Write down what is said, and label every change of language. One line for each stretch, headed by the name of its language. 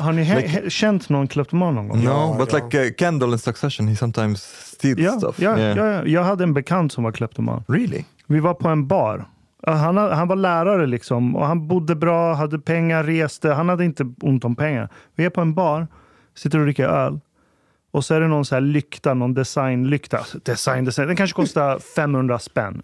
Swedish: Har ni känt någon kleptoman någon gång?
English: No, but like Kendall in Succession, he sometimes steals stuff.
Swedish: Jag hade en bekant som var kleptoman.
English: Really?
Swedish: Vi var på en bar. Han var lärare liksom. Och han bodde bra, hade pengar, reste. Han hade inte ont om pengar. Vi är på en bar, sitter och dricker öl. Och så är det någon så här lykta, någon designlykta. Design. Den kanske kostar 500 spänn.